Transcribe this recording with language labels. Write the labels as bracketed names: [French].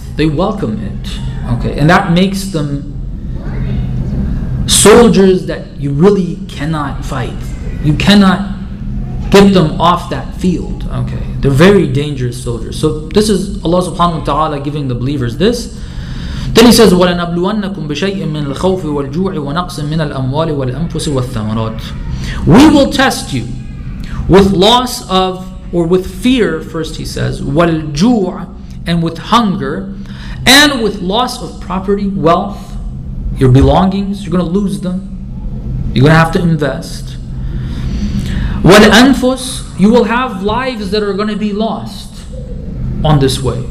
[English] They welcome it. Okay, and that makes them soldiers that you really cannot fight. You cannot get them off that field. Okay, they're very dangerous soldiers. So this is Allah subhanahu wa ta'ala giving the believers this. Then he says, [Arabic] وَلَنَبْلُوَنَّكُمْ بِشَيْءٍ مِّنَ الْخَوْفِ وَالْجُوعِ وَنَقْصٍ مِّنَ الْأَمْوَالِ وَالْأَنفُسِ وَالثَّمَرَاتِ. [English] We will test you with loss of, or with fear, first he says, وَالْجُوعِ, and with hunger, and with loss of property, wealth, your belongings, you're going to lose them. You're going to have to invest. وَالْأَنفُسِ, you will have lives that are going to be lost on this way.